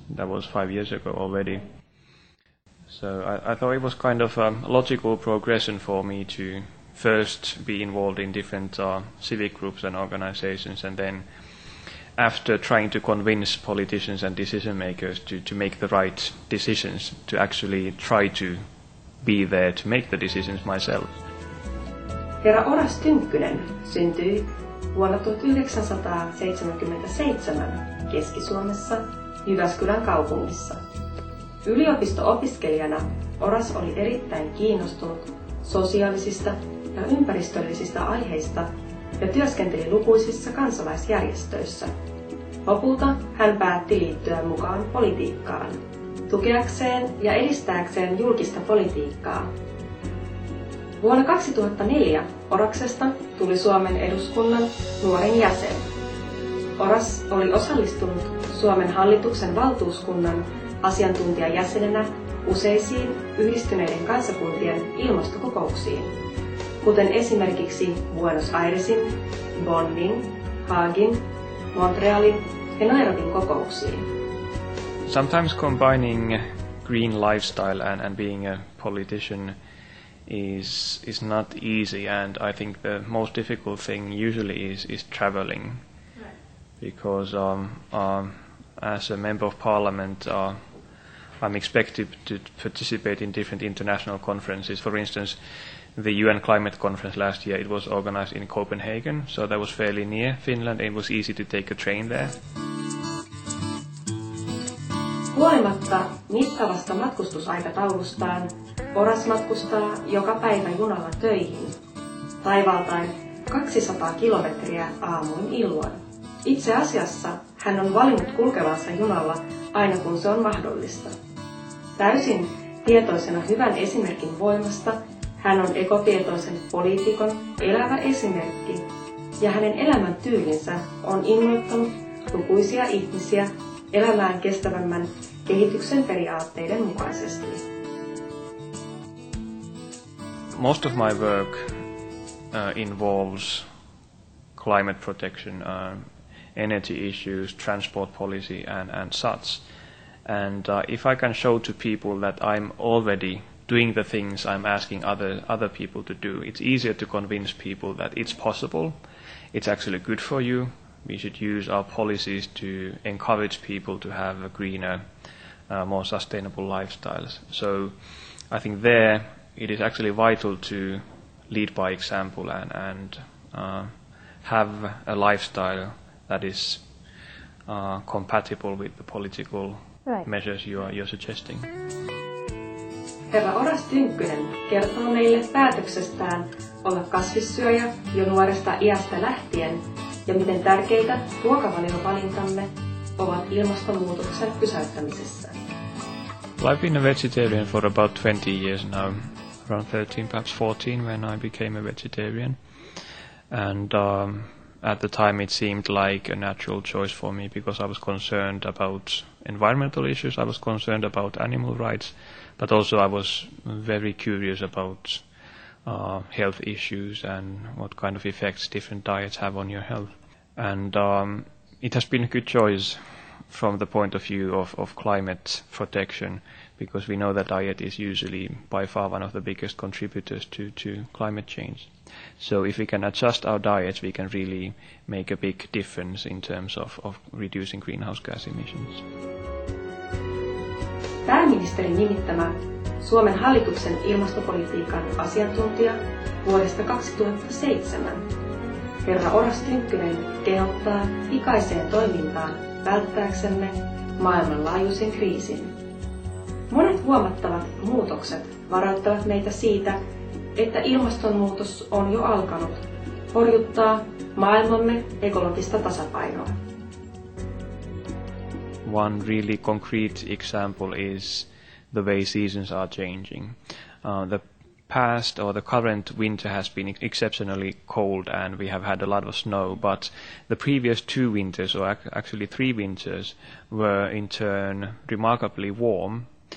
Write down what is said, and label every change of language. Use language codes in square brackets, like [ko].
[en] That was 5 years ago already. So I thought it was kind of a logical progression for me to first be involved in different civic groups and organizations, and then after trying to convince politicians and decision makers to make the right decisions, to actually try to be there to make the decisions myself. [fi] Herra Oras Tynkkynen syntyi vuonna 1977 Keski-Suomessa Jyväskylän kaupungissa. Yliopisto-opiskelijana Oras oli erittäin kiinnostunut sosiaalisista ja ympäristöllisistä aiheista ja työskenteli lukuisissa kansalaisjärjestöissä. Lopulta hän päätti liittyä mukaan politiikkaan, tukeakseen ja edistääkseen julkista politiikkaa. Vuonna 2004 Oraksesta tuli Suomen eduskunnan nuorin jäsen. Oras oli osallistunut Suomen hallituksen valtuuskunnan asiantuntijajäsenenä useisiin Yhdistyneiden kansakuntien ilmastokokouksiin, kuten esimerkiksi Buenos Airesin, Bonnin, Haagin, Montrealin ja Nairobin kokouksiin. [en] Sometimes combining green lifestyle and being a politician is not easy, and I think the most difficult thing usually is traveling, because as a member of parliament I'm expected to participate in different international conferences. For instance, the UN climate conference last year, it was organized in Copenhagen, so that was fairly near Finland. It was easy to take a train there. [fi] Huolimatta mittavasta matkustusaikataulustaan, Oras matkustaa joka päivä junalla töihin, taivaltaen 200 kilometriä aamuin illoin. Itse asiassa hän on valinnut kulkevansa junalla aina kun se on mahdollista. Täysin tietoisena hyvän esimerkin voimasta, hän on ekotietoisen poliitikon elävä esimerkki, ja hänen elämäntyylinsä on innoittanut lukuisia ihmisiä elämään kestävämmän kehityksen periaatteiden mukaisesti. [en] Most of my work involves climate protection, energy issues, transport policy and such. And if I can show to people that I'm already doing the things I'm asking other people to do, it's easier to convince people that it's possible, it's actually good for you. We should use our policies to encourage people to have a greener, more sustainable lifestyles. So I think there it is actually vital to lead by example and have a lifestyle that is compatible with the political measures you're suggesting. [fi] Herra Oras Tynkkynen kertoo meille päätöksestään olla kasvissyöjä jo nuoresta iästä lähtien ja miten tärkeitä ruokavaliovalintamme ovat ilmastonmuutoksen pysäyttämisessä. [en] Well, I've been a vegetarian for about 20 years now. Around 13, perhaps 14, when I became a vegetarian. And at the time it seemed like a natural choice for me, because I was concerned about environmental issues, I was concerned about animal rights, but also I was very curious about health issues and what kind of effects different diets have on your health. And it has been a good choice from the point of view of climate protection, because we know that diet is usually by far one of the biggest contributors to climate change. So if we can adjust our diets, we can really make a big difference in terms of reducing greenhouse gas emissions. [fi] Pääministerin nimittämä Suomen hallituksen ilmastopolitiikan asiantuntija vuodesta 2007, herra Oras Tynkkynen, kehottaa pikaiseen toimintaan välttääksemme maailmanlaajuisen kriisin. Monet huomattavat muutokset varoittavat meitä siitä, että ilmastonmuutos on jo alkanut horjuttaa maailmamme ekologista tasapainoa. [en] One really concrete example is the way seasons are changing. The past or the current winter has been exceptionally cold and we have had a lot of snow, but the previous two winters, or actually three winters, were in turn remarkably warm.